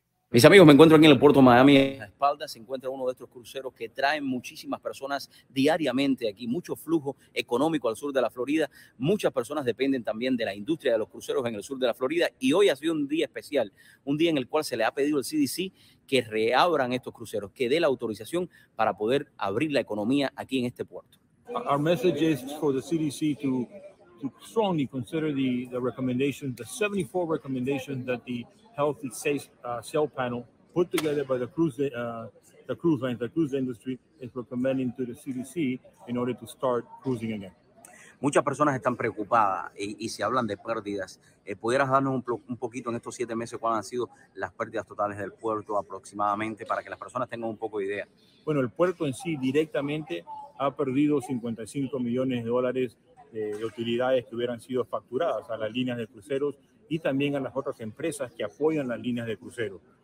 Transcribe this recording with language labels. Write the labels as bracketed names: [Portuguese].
[Spanish] Mis amigos, me encuentro aquí en el puerto de Miami. A la espalda se encuentra uno de estos cruceros que traen muchísimas personas diariamente aquí. Mucho flujo económico al sur de la Florida. Muchas personas dependen también de la industria de los cruceros en el sur de la Florida. Y hoy ha sido un día especial, un día en el cual se le ha pedido al CDC que reabran estos cruceros, que dé la autorización para poder abrir la economía aquí en este puerto. [English] Our message is for the CDC to strongly consider the recommendations, the 74 recommendations that the Health and Safe Sail Panel put together by the cruise industry is recommending to the CDC in order to start cruising again. [Spanish] Muchas personas están preocupadas y se hablan de pérdidas. ¿Pudieras darnos un poquito en estos 7 meses cuáles han sido las pérdidas totales del puerto aproximadamente para que las personas tengan un poco de idea? Bueno, el puerto en sí directamente ha perdido 55 millones de dólares de utilidades que hubieran sido facturadas a las líneas de cruceros y también a las otras empresas que apoyan las líneas de cruceros.